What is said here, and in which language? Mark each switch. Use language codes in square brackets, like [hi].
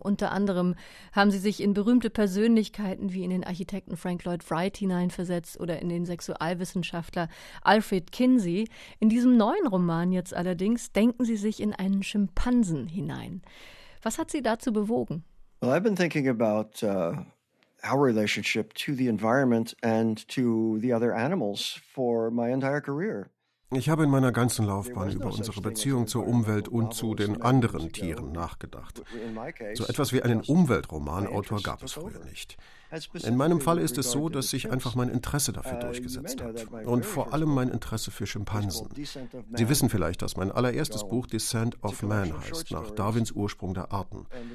[de] Unter anderem haben Sie sich in berühmte Persönlichkeiten wie in den Architekten Frank Lloyd Wright hineinversetzt oder in den Sexualwissenschaftler Alfred Kinsey. In diesem neuen Roman jetzt allerdings denken Sie sich in einen Schimpansen hinein. Was hat Sie dazu bewogen? [en] Well, I've been thinking about our relationship to the environment and to the other animals for my entire career. [de] Ich habe in meiner ganzen Laufbahn über unsere Beziehung zur Umwelt und zu den anderen Tieren nachgedacht. So etwas wie einen Umweltromanautor gab es früher nicht. In meinem Fall ist es so, dass sich einfach mein Interesse dafür durchgesetzt hat. Und vor allem mein Interesse für Schimpansen. Sie wissen vielleicht, dass mein allererstes Buch Descent of Man heißt, nach Darwins Ursprung der Arten.